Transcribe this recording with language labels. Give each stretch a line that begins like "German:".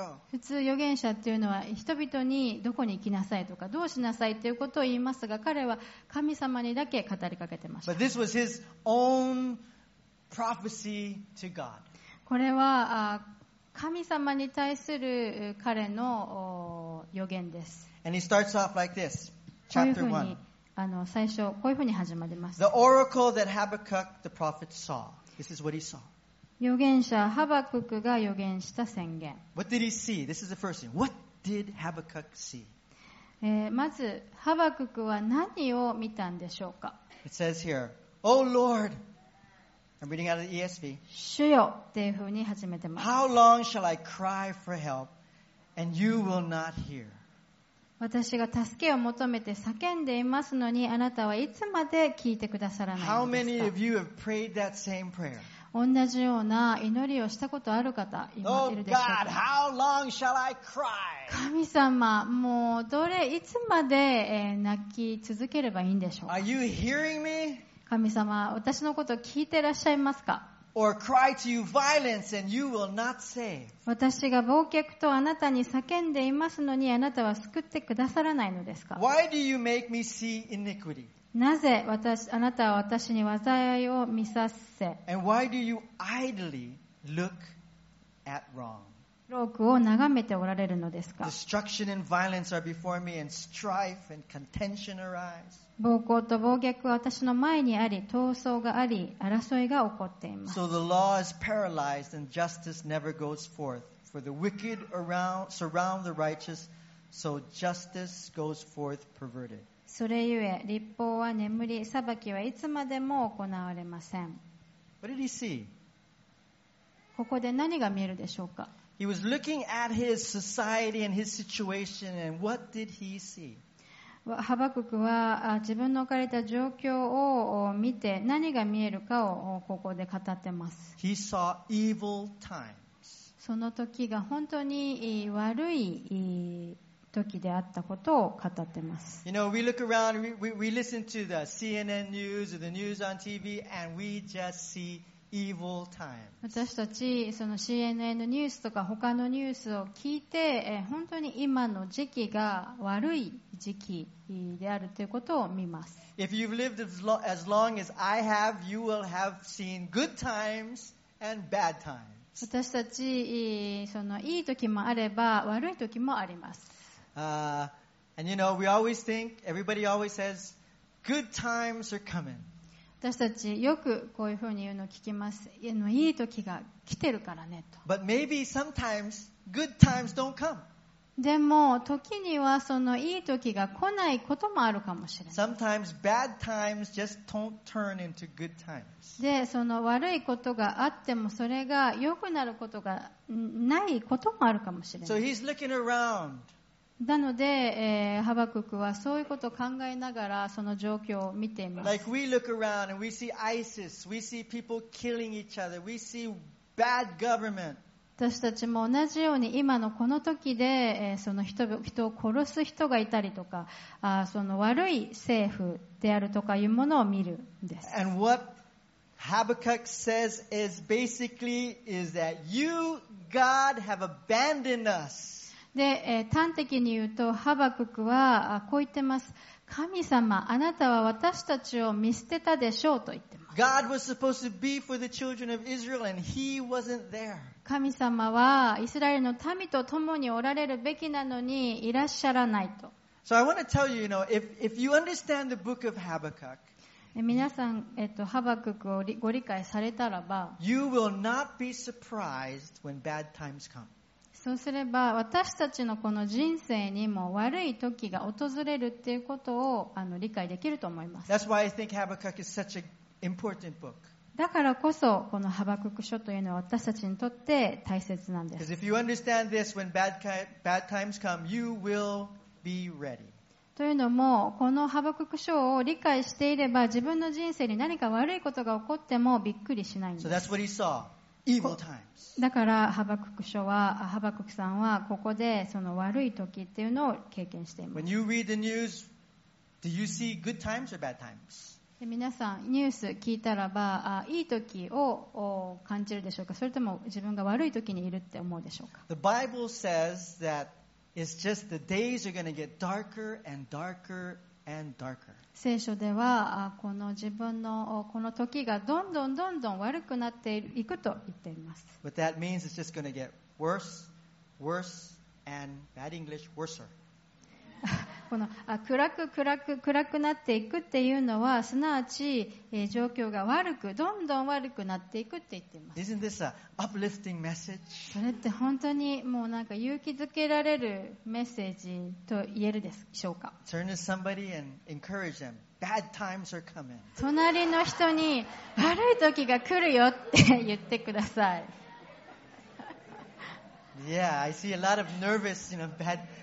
Japanese: 普通預言者というのは人々にどこに行きなさいとかどうしなさいということを言いますが彼は神様にだけ語りかけてました。
English: But this was his own prophecy to God.
Japanese: これは神様に対する彼の預言です。
English: And he starts off like this, chapter 1.
Japanese: 最初こういうふうに始まります。
English: The oracle that Habakkuk the prophet saw. This is what he saw.
Japanese: 預言者ハバククが預言した宣言。
English: What did he see? This is the first thing. What did Habakkuk see?
Japanese: まずハバククは何を見たんでしょうか。
English: It says here, Oh Lord, I'm reading out of the ESV.
Japanese: 主よっていうふうに始めてます。
English: How long shall I cry for help and you will not hear?
Japanese: 私が助けを求めて叫んでいますのにあなたはいつまで聞いてくださらないのですか。
English: How many of you have prayed that same prayer?
Japanese: 同じような祈りをしたことある方、今いるでしょうか。
English: Oh God, how long shall I cry?
Japanese: 神様、もうどれ、いつまで泣き続ければいいんでしょうか。
English: Are you hearing me?
Japanese: 神様、私のことを聞いてらっしゃいますか。
English: Or cry to you violence and you will not save.
Japanese: 私が忘却とあなたに叫んでいますのに、あなたは救ってくださらないのですか。
English: Why do you make me see iniquity?
Japanese: なぜ私あなたは私に災いを見させ、
English: And why do you idly look at wrong?
Japanese: 労苦を眺めておられるのですか。
English: Destruction and violence are before me, and strife and contention arise.
Japanese: 暴行と暴虐は私の前にあり、闘争があり、争いが起こっています。
English: So the law is paralyzed and justice never goes forth, for the wicked surround the righteous, so justice goes forth perverted.
Japanese: それゆえ立法は眠り、裁きはいつまでも行われません。
English: What did he see?
Japanese: ここで何が見えるでしょうか。
English: He was looking at his society and his situation, and what did he see?
Japanese: ハバククは自分の置かれた状況を見て何が見えるかをここで語ってます。
English: He saw evil times.
Japanese: その時が本当に悪い時であったことを語ってます。
English: You know, we look around, we listen to the CNN news or the news on TV and we just see evil times.
Japanese: 私たちその CNN ニュースとか他のニュースを聞いて、本当に今の時期が悪い時期であるということを見ます。
English: If you've lived as long as I have, you will have seen good times and bad times.
Japanese: 私たちそのいい時もあれば悪い時もあります。
English: And you know, we always think, everybody always says, good times are coming.
Japanese: 私たちよくこういうふうに言うのを聞きます。いい時が来てるからねと。
English: But maybe sometimes good times don't come.
Japanese: でも時にはそのいい時が来ないこともあるかもしれない。
English: Sometimes bad times just don't turn into good times.
Japanese: で、その悪いことがあってもそれが良くなることがないこともあるかもしれない。
English: So he's looking around.
Japanese: なので、ハバククはそういうことを考えながらその状況を見ています。
English: Like we look around and we see ISIS, we see people killing each other, we see bad government.
Japanese: 私たちも同じように今のこの時で、その人を殺す人がいたりとか、その悪い政府であるとかいうものを見るんです。
English: And what Habakkuk says is basically is that you, God, have abandoned us.
Japanese: で、端的に言うとハバククはこう言ってます。神様、あなたは私たちを見捨てたでしょうと言ってます。
English: God was supposed to be for the children of Israel and he wasn't there.
Japanese: 神様はイスラエルの民と共におられるべきなのにいらっしゃらないと。
English: So I want to tell you, you know, if you understand the book of Habakkuk,
Japanese: 皆さん、ハバククをご理解されたらば、
English: You will not be surprised when bad times come.
Japanese: そうすれば私たちのこの人生にも悪い時が訪れるっていうことを理解できると思います。
English: That's why I think Habakkuk is such an important book.
Japanese: だからこそこのハバクク書というのは私たちにとって大切なんです。
English: Because if you understand this when bad times come, you will be ready.
Japanese: というのもこのハバクク書を理解していれば自分の人生に何か悪いことが起こってもびっくりしないんです。
English: So that's what he saw. Evil times.
Japanese: だからハバクク書はハバククさんはここでその悪い時っていうのを経験しています。
English: When you read the news, do you see good times or bad times?
Japanese: で皆さんニュース聞いたらばいい時を感じるでしょうか。それとも自分が悪い時にいるって思うでしょうか。
English: The Bible says that it's just the days are going to get darker and darker and darker.
Japanese: 聖書ではこの自分のこの時がどんどんどんどん悪くなっていくと言っています。
English: But that means it's just going to get worse, worse and bad English, worser.
Japanese: この暗くなっていくっていうのはすなわち状況が悪くどんどん悪くなっていくって言っています。
English: Isn't this an uplifting message?
Japanese: それって本当にもうなんか勇気づけられるメッセージと言えるでしょうか。
English: Turn to somebody and encourage them. Bad times are coming.
Japanese: 隣の人に悪い時が来るよって言ってください。
English: Yeah, I see a lot of nervous, you know, bad